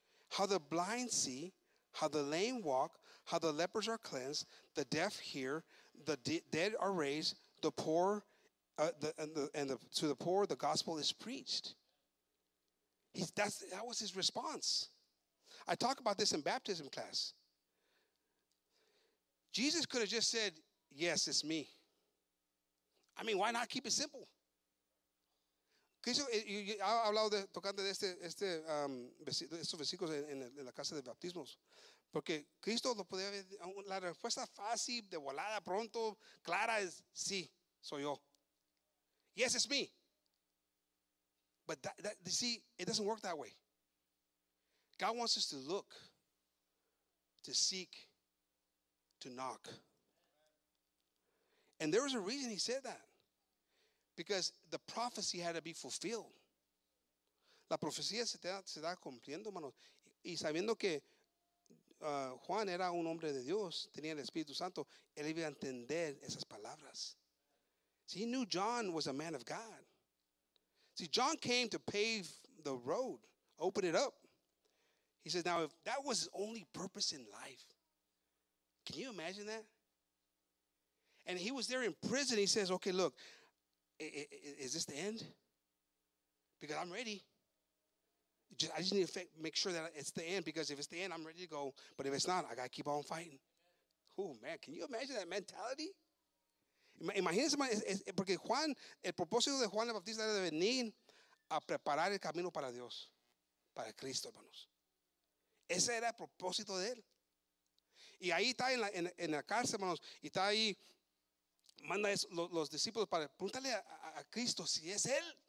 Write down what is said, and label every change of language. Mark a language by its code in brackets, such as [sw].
[en] How the blind see, how the lame walk, how the lepers are cleansed, the deaf hear, the dead are raised, the poor, to the poor the gospel is preached. That was his response. I talk about this in baptism class. Jesus could have just said, yes, it's me. I mean, why not keep it simple? [es] Cristo, hablado tocando de estos versículos en la casa de baptismos. Porque Cristo lo podía haber, la respuesta fácil, de volada, pronto, clara es, sí, soy yo. [en] Yes, it's me. But see, it doesn't work that way. God wants us to look, to seek, to knock. And there was a reason he said that. Because the prophecy had to be fulfilled. [es] La profecía se está cumpliendo, hermano. Y sabiendo que Juan era un hombre de Dios, tenía el Espíritu Santo, él iba a entender esas palabras. [en] See, he knew John was a man of God. See, John came to pave the road, open it up. He says, now, if that was his only purpose in life, can you imagine that? And he was there in prison. He says, okay, look, is this the end? Because I'm ready. I just need to make sure that it's the end, because if it's the end, I'm ready to go. But if it's not, I got to keep on fighting. Oh, man, can you imagine that mentality? [es] Imagínense, porque Juan, el propósito de Juan el Bautista era de venir a preparar el camino para Dios, para Cristo, hermanos. Ese era el propósito de él. Y ahí está en la cárcel, hermanos, y está ahí, manda los discípulos para preguntarle a Cristo si es él.